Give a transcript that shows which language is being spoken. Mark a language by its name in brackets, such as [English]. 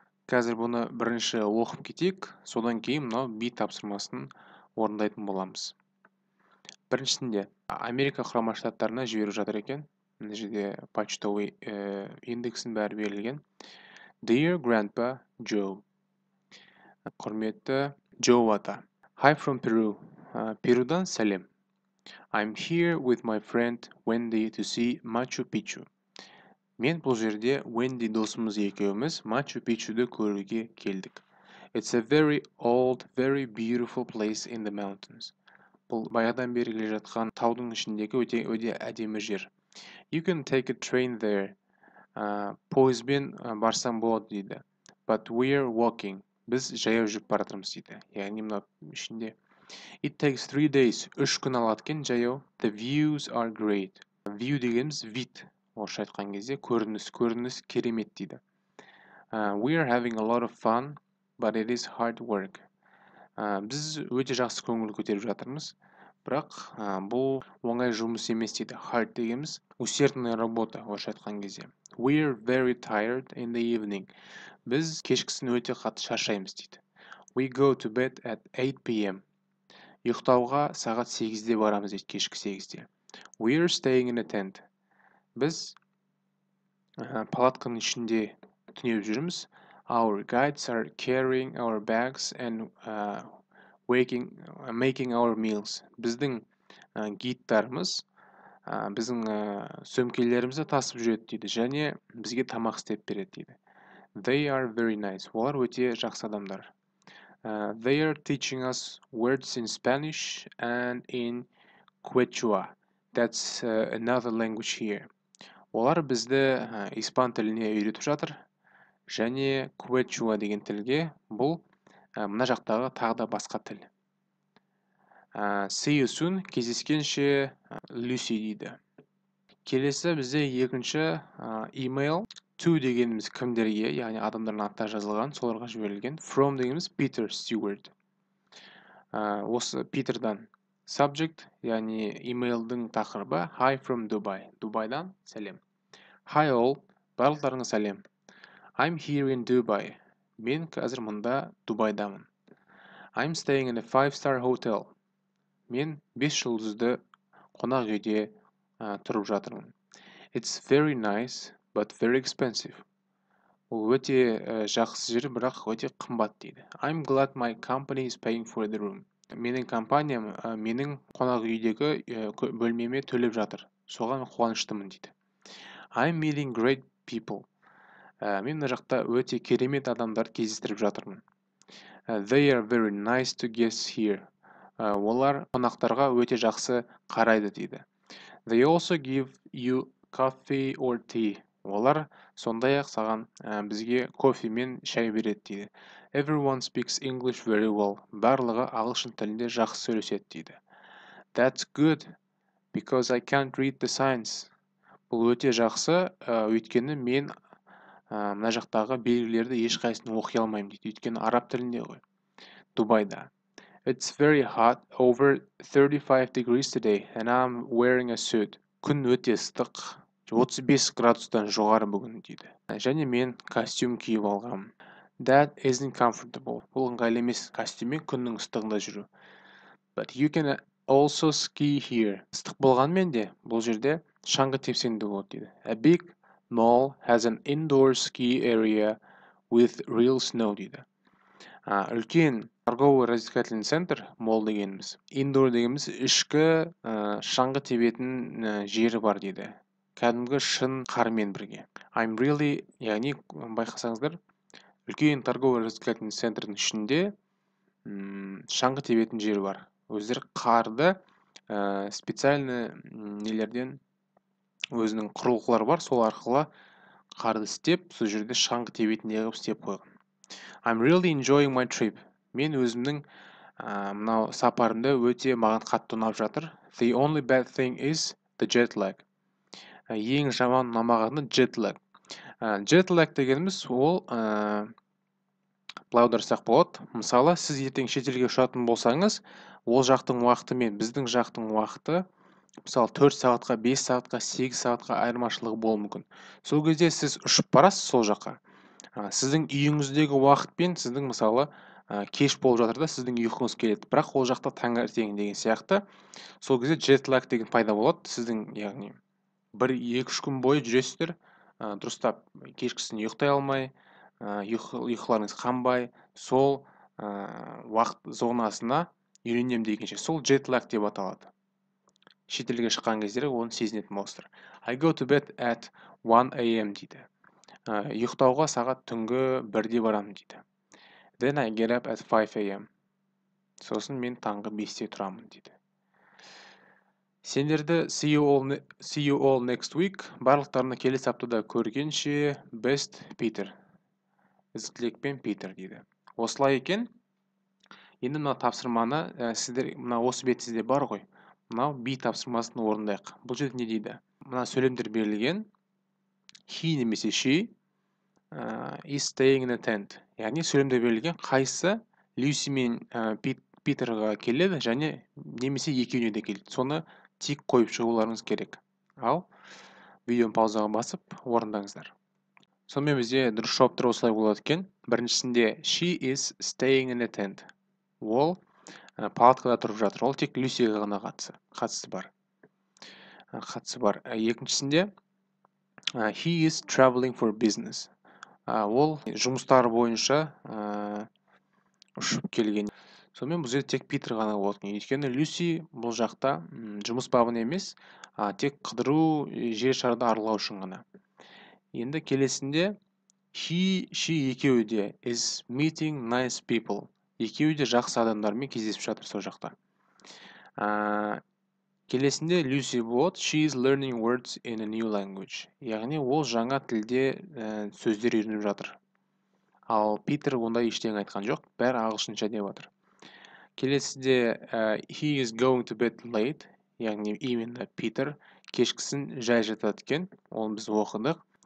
[Kazakh] Қазір бұны бірінші оқып кетейік. Содан кейін мынау B тапсырмасын орындайтын боламыз. Біріншісінде Америка Құрама Штаттарына жіберіп жатыр екен. Мына жерде почтовый индексін бәрі берілген. [English] Dear Grandpa Joe. [Kazakh] Құрметті Joe ата. [English] Hi from Peru. [Kazakh] Перудан сәлем. [English] I'm here with my friend Wendy to see Machu Picchu. [Kazakh] Мен бұл жерде Wendy досымыз екеуміз Machu Picchu-ді көруге келдік. [English] It's a very old, very beautiful place in the mountains. [Kazakh] Бұл баяғыдан бері келе жатқан таудың ішіндегі өте әдемі жер. [English] You can take a train there. [Kazakh] Пойызбен барсам болады дейді. [English] But we're walking. [Kazakh] Біз жаяу жүріп баратырмыз дейді. Яғни мына ішінде. [English] It takes 3 days. [Kazakh] 3 күн алады екен жаяу. [English] The views are great. [Kazakh] View дегеніміз вид. Орысша айтқан кезде көрініс керемет дейді. [English] We are having a lot of fun, but it is hard work. [Kazakh] Біз өте жақсы көңіл көтеріп жатырмыз. Бірақ бұл оңай жұмыс емес дейді. Hard дегеніміз [Russian] усердная работа, [Kazakh] орысша айтқан кезде. [English] We are very tired in the evening. [Kazakh] Біз кешкісін өте қатты шаршаймыз дейді. [English] We go to bed at 8 p.m. [Kazakh] Ұйықтауға сағат 8-де барамыз дейді, кешкі 8-де. [English] We are staying in a tent. [Kazakh] Біз палатканың ішінде түнеп жүрміз. [English] Our guides are carrying our bags and making our meals. [Kazakh] Біздің гидтарымыз біздің сөмкелерімізді тасып жүреді дейді, және бізге тамақ істеп береді дейді. [English] They are very nice. [Kazakh] Олар өте жақсы адамдар. [English] They are teaching us words in Spanish and in Quechua. That's another language here. [Kazakh] Олар бізді испан тіліне үйретіп жатыр. Және Quechua деген тілге бұл мына жақтағы тағы да басқа тіл. [English] See you soon. [Kazakh] Кездескенше, Люси дейді. Келесі бізде екінші email. To дегеніміз кімдерге, яғни адамдардың аттары жазылған, соларға жіберілген. From дегеніміз Peter Stewart. Осы Peter-дан subject, яғни email-дің тақырыбы [English] Hi from Dubai. [Kazakh] Дубайдан сәлем. [English] Hi all. [Kazakh] Барлықтарыңа сәлем. [English] I'm here in Dubai. [Kazakh] Мен қазір мында Дубайдамын. [English] I'm staying in a 5-star hotel. [Kazakh] Мен 5 жұлдызды қонақ үйде тұрып жатырмын. [English] It's very nice, but very expensive. [Kazakh] Ол өте жақсы жер, бірақ өте қымбат дейді. [English] I'm glad my company is paying for the room. [Kazakh] Менің компаниям менің қонақ үйдегі бөлмеме төлеп жатыр. Соған қуаныштымын дейді. [English] I'm meeting great people. [Kazakh] Мен мына жақта өте керемет адамдар кездестіріп жатырмын. [English] They are very nice to guests here. [Kazakh] Олар қонақтарға өте жақсы қарайды дейді. [English] They also give you coffee or tea. [Kazakh] Олар сондай ақ саған бізге кофе мен шай береді дейді. [English] Everyone speaks English very well. [Kazakh] Барлығы ағылшын тілінде жақсы сөйлеседі дейді. [English] That's good because I can't read the signs. [Kazakh] Бұл өте жақсы, өйткені мен мына жақтағы белгілерді ешқайсысын оқи алмаймын дейді, өйткені араб тілінде ғой. Дубайда. [English] It's very hot, over 35 degrees today, and I'm wearing a suit. [Kazakh] Күн өте ыстық, 35 градустан жоғары бүгін дейді. Және мен костюм киіп алғам. [English] That isn't comfortable. [Kazakh] Бұл ыңғайлы емес, костюммен күннің ыстығында жүру. [English] But you can also ski here. [Kazakh] Ыстық болғанмен де, бұл жерде шаңғы тепсеңде болады дейді. [English] A big mall has an indoor ski area with real snow [Kazakh] дейді. Үлкен [Russian] торговый развлекательный центр, [Kazakh] мол дегеніміз. Индор дегеніміз ішкі шаңғы тебетін жері бар дейді. Кәдімгі шын қармен бірге. I'm really, яғни байқасаңыздар, үлкен [Russian] торговый развлекательный центрдің [Kazakh] ішінде шаңғы тебетін жері бар. Өздері қарды специально нелерден өзінің құрылғылары бар, сол арқылы қарды істеп, сол жерде шаңғы тебетін неғып істеп қойған. [English] I'm really enjoying my trip. [Kazakh] Мен өзімнің мынау сапарымды өте маған қатты ұнап жатыр. [English] The only bad thing is the jet lag. [Kazakh] Ең жаман ұнамағаны jet lag. Jet lag дегеніміз ол плаудырсақ болады. Мысалы, сіз ертең шетелге ұшатын болсаңыз, ол жақтың уақыты мен біздің жақтың уақыты мысалы 4 сағатқа, 5 сағатқа, 8 сағатқа айырмашылығы болуы мүмкін. Сол кезде сіз ұшып барасыз сол жаққа. Сіздің үйіңіздегі уақыт пен сіздің мысалы кеш болып жатыр да сіздің ұйқыңыз келеді. Бірақ ол жақта таңертең деген сияқты. Сол кезде jet lag деген пайда болады. Сіздің яғни 1-2-3 күн бойы жүресіздер, дұрыстап кешкісін ұйықтай алмай, ұйқыларыңыз қанбай, сол уақыт зонасына үйренем дегенше. Сол jet lag деп аталады. Шетелге шыққан кездері оны сезінетін болсыр. [English] I go to bed at 1 a.m. дейді. [Kazakh] Ұйықтауға сағат түнгі 1-де барамын дейді. [English] Then I get up at 5 a.m. [Kazakh] Сосын мен таңғы 5-те тұрамын дейді. Сендерді [English] see you all next week. [Kazakh] Барлықтарыңды келесі аптада көргенше, best Peter. Ізгілікпен Peter дейді. Осылай екен, енді мына тапсырманы, сіздер мына осы бет сізде бар ғой, мына би тапсырмасын орындайық. Бұл жерде не дейді? Мына сөйлемдер берілген. [English] He немесе she is staying in a tent. [Kazakh] Яғни сөйлемде берілген қайсы Люси мен Питерға келеді, және немесе екеуіне де келеді. Соны тек қойып шығуларыңыз керек. Ал видеоны паузаға басып орындаңыздар. Сонымен бізде дұрыс жауаптар осылай болады екен. Біріншісінде [English] she is staying in a tent. [Kazakh] Ол палаткада тұрып жатыр. Ол тек Люсиге ғана қатысы бар. Екіншісінде [English] he is traveling for business. [Kazakh] Ол жұмыстары бойынша ұшып келген. Сонымен бұл жерде тек Питер ғана болатын. Өйткені Люси бұл жақта жұмыс бабын емес, тек қыдыру жер шарды аралау үшін ғана. [English] Енді келесінде she [Kazakh] екеуі де [English] is meeting nice people. [Kazakh] Екеуі де жақсы адамдармен кездесіп жатыр сол жақта. Келесінде Люси болот, [English] she is learning words in a new language. [Kazakh] Яғни ол жаңа тілде сөздер үйреніп жатыр. Ал Питер ондай ештеңе айтқан жоқ, бәрі ағылшынша деп отыр. Келесінде [English] he is going to bed late, [Kazakh] яғни именно Питер кешкісін жай жатады екен, оны біз оқыдық.